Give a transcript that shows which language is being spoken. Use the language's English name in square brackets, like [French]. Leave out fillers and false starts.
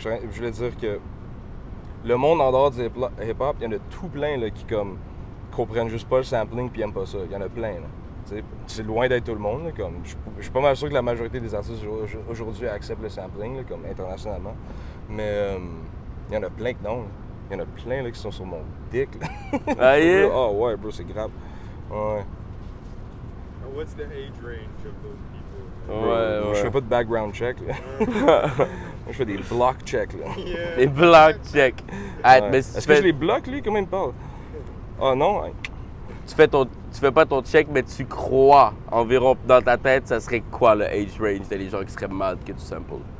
[French] Je voulais dire que le monde en dehors du hip-hop, il y en a tout plein là, qui comme comprennent juste pas le sampling et n'aiment pas ça. Il y en a plein. Là. C'est loin d'être tout le monde. Comme, je suis pas mal sûr que la majorité des artistes aujourd'hui acceptent le sampling là, comme internationalement. Mais il y en a plein que non. Il y en a plein là, qui sont sur mon dick. [English] Ah yeah? [French] Oh ouais, bro, c'est grave. Ouais. [English] What's the age range of those people? [French] Ouais. Je fais pas de background check. Moi, je fais des block check. Là. [English] Yeah. [French] Des block check. Ouais. Mais si est-ce que je les bloque, lui? Comment il me parle? Oh non. Tu fais pas ton check, mais tu crois environ dans ta tête, ça serait quoi le age range des gens qui seraient mal que tu samples?